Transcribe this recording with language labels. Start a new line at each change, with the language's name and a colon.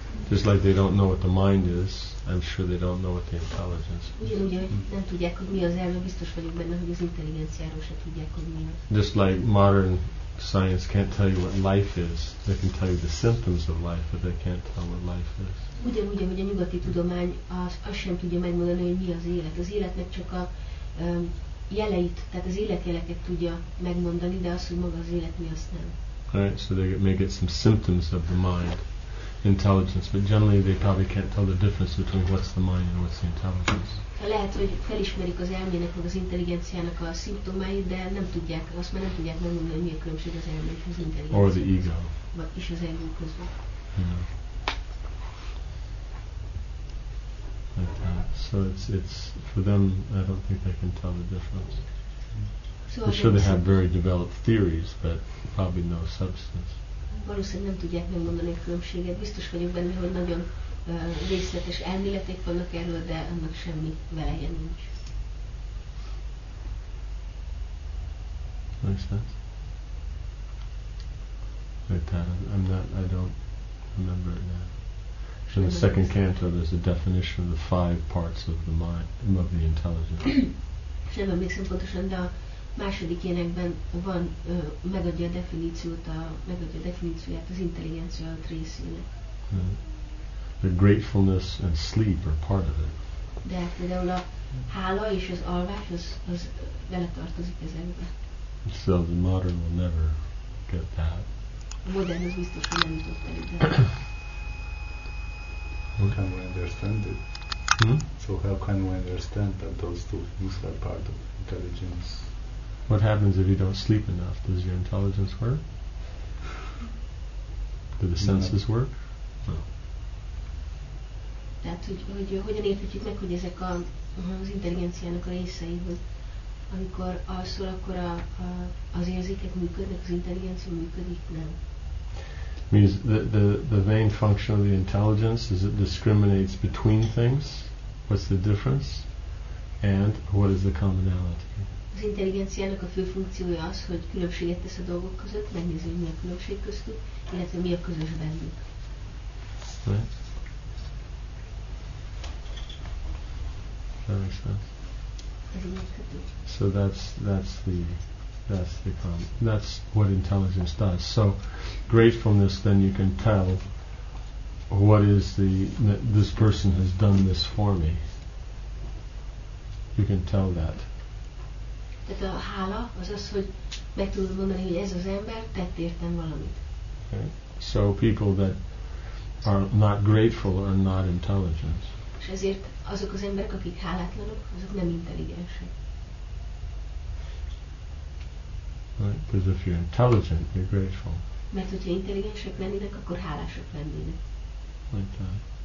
English: Just like they don't know what the mind is, I'm sure they don't know what the intelligence is.
Hungarian: Ugyanúgy, hogy nem tudják, hogy mi az elme, biztos vagyok benne, hogy az intelligenciáról se tudják, hogy mi az.
English: Just like modern science can't tell you what life is, they can tell you the symptoms of life, but they can't tell what life is.
Hungarian: Ugyanúgy, hogy a nyugati tudomány az sem tudja megmondani, hogy mi az élet. Az életnek csak a jeleit, tehát az életjeleket tudja megmondani, de az, hogy maga az élet mi, azt nem.
English: Right, so they may get some symptoms of the mind, intelligence, but generally they probably can't tell the difference between what's the mind and what's the intelligence.
Hungarian: Lehet, hogy felismerik az elmének, meg az intelligenciának a szimptomáit, de nem tudják, azt már nem tudják megmondani, hogy mi a különbség az elmének, az intelligenciának.
English: Or the ego.
Hungarian: Vagy is az ego közben.
English: Like that. So it's for them, I don't think they can tell the difference. So I'm sure they have very developed theories, but probably no substance.
Hungarian: Valószínűleg nem tudják megmondani a különbséget. Biztos vagyok benne, hogy nagyon részletes elméleték vannak erről, de annak semmi veleje nincs.
English: Makes sense? Like that. I don't remember it now. In the second canto, there's a definition of the five parts of the mind, of the intelligence.
Hungarian: Nem emlékszem pontosan, de a második énekben van, megadja a definíciót, megadja a definícióját az intelligencia részének.
English: The gratefulness and sleep are part of it.
Hungarian: De például a hála és az alvás, az beletartozik ezekbe.
English: So the modern will never get that.
Hungarian: A modern az biztos, hogy nem jutott el ide.
English: Can we understand it? So how can we understand that those two things are part of intelligence? What happens if you don't sleep enough? Does your intelligence work? Do the senses work? No.
Hungarian: Tehát, hogy hogyan értetjük meg, hogy ezek az intelligenciának a részei, hogy amikor alszol, akkor az érzékek működnek, az intelligencia működik, nem?
English: Means the main function of the intelligence is it discriminates between things, what's the difference, and what is the commonality.
Hungarian: Az intelligenciának a fő funkciója az, hogy különbséget tesz a dolgok között, megnézi, hogy mi a különbség köztük, illetve mi a közös bennük.
English: Right. That makes sense. So that's the problem. That's what intelligence does. So gratefulness, then you can tell what is the, this person has done this for me. You can tell that.
Hungarian: Tehát a hála az az, hogy meg tudod mondani, hogy ez az ember tett értem valamit.
English: Okay. So people that are not grateful are not intelligent.
Hungarian: És ezért azok az emberek, akik hálátlanok, azok nem intelligensek.
English: Because right? If you're intelligent, you're grateful.
Hungarian: Mert hogyha intelligensek lennének, akkor hálásak lennének.
English: Like that.